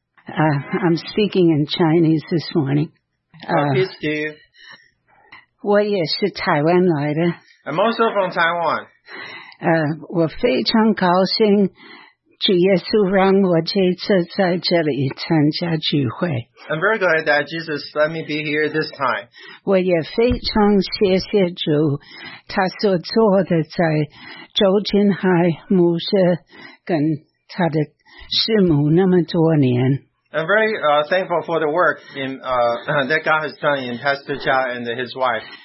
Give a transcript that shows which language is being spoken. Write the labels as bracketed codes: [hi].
[en] I'm speaking in Chinese this morning. Peace to you. [zh] 我也是台湾来的。 [en] I'm also from Taiwan. [zh] 我非常高兴主耶稣让我这次在这里参加聚会。 [en] I'm very glad that Jesus let me be here this time. [zh] 我也非常谢谢主他所做的在周金海牧师跟他的师母那么多年。 [en] I'm very thankful for the work in, that God has done in Pastor Cha and his wife.